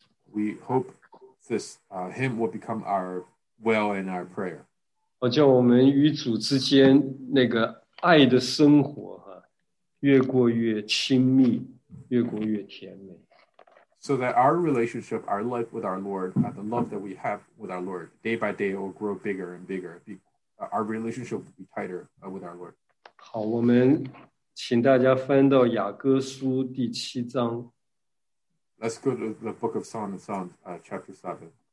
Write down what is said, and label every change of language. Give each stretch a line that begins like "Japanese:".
English: We hope this hymn will become our well and our prayer.
Chinese: 叫我们与主之间那个爱的生活越过越亲密，越过越甜美。
English: So that our relationship, our life with our Lord, the love that we have with our Lord, day by day will grow bigger and bigger. Our relationship will be tighter with our Lord.
Chinese: 好，我们。请大家翻到雅歌书第七章。
English: Let's go to the book of Song of Songs, chapter 7.